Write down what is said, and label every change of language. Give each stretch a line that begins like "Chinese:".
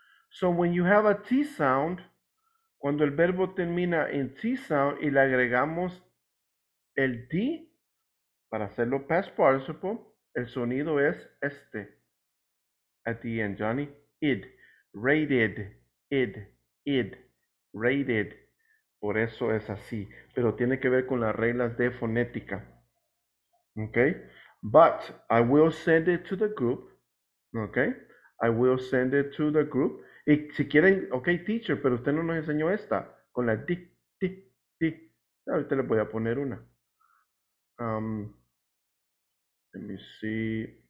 English: So when you have a T sound,
Spanish: cuando el verbo termina en T sound y le agregamos el D para hacerlo past participle, el sonido es este.
English: At the end,
Spanish: Johnny. Id. Rated. Id. Id. Rated. Por eso es así. Pero tiene que ver con las reglas de fonética. Okay?
English: But I will send it to the group. Okay? I will send it to the group.
Spanish: Y si quieren, ok, teacher, pero usted no nos enseñó esta, con la di, di, di. Ahorita le voy a poner una.
English: Let me see.